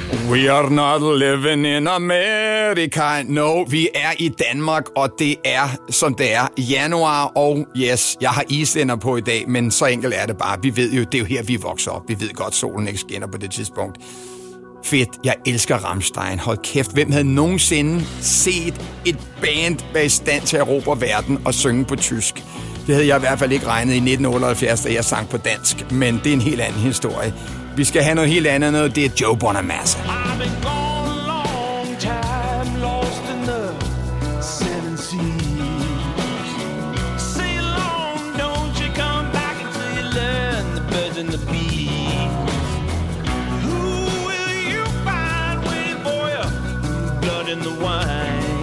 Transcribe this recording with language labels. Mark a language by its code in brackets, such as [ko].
[en] We are not living in America. [da] No, vi er i Danmark, og det er, som det er, januar. Og yes, jeg har islænder på i dag, men så enkelt er det bare. Vi ved jo, det er jo her, vi vokser op. Vi ved godt, solen ikke skinner på det tidspunkt. Fedt, jeg elsker Rammstein. Hold kæft, hvem havde nogensinde set et band være i stand til at råbe verden og synge på tysk? Det havde jeg i hvert fald ikke regnet i 1978, da jeg sang på dansk. Men det er en helt anden historie. Vi skal have noget helt andet, noget. Det er Joe Bonamassa. [en] I've been gone a long time, lost in the seven seas. Say long, don't you come back until you learn the birds and the bees. Who will you find with boy, blood in the wine?